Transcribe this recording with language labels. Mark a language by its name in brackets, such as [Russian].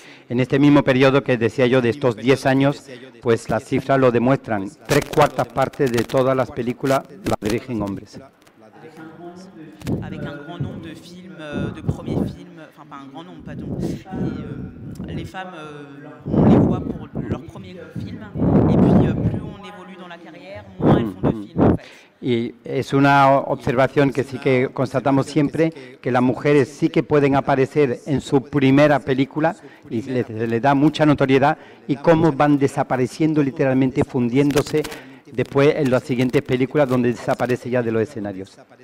[Spanish] En este mismo periodo que decía yo de estos 10 años, pues las cifras lo demuestran. 3/4 partes de todas las películas las dirigen hombres. [French] avec un grand nombre de films, de premiers films, enfin pas un grand nombre, pardon. Et les femmes, on les voit pour leur premier film, et puis plus on évolue dans la carrière, moins elles font de films. En fait. [Spanish] Y es una observación que sí que constatamos siempre, que las mujeres sí que pueden aparecer en su primera película y les da mucha notoriedad, y cómo van desapareciendo literalmente, fundiéndose después en las siguientes películas, donde desaparece ya de los escenarios.